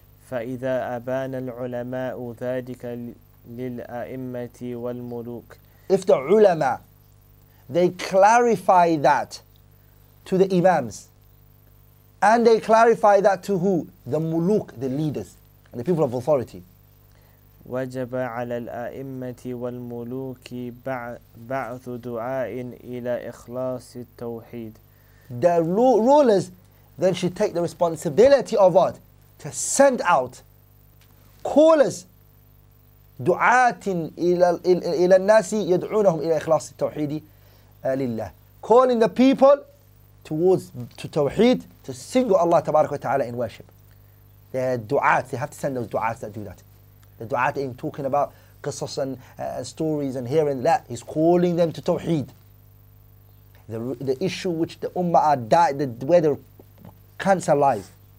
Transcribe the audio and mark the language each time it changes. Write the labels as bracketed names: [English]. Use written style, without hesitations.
[Arabic] فَإِذَا أَبَانَ الْعُلَمَاءُ ذَٰلِكَ لِلْأَئِمَّةِ وَالْمُلُوكِ [English] If the ulama, they clarify that to the imams, And they clarify that to who? The muluk, the leaders, and the people of authority. [Arabic] وجب على الأئمة والملوك بعث دعاء إلى إخلاص التوحيد. [English] The rulers then should take the responsibility of what? To send out callers, [Arabic] دعاة إلى الناس يدعونهم إلى إخلاص التوحيد لله. [English] Calling the people towards to tawheed, to single Allah tabarak wa ta'ala in worship. They had du'at, they have to send those du'ats that do that. The du'at ain't talking about qisas and stories and here and that. He's calling them to tawheed. The issue which the ummah are where their cancer lies.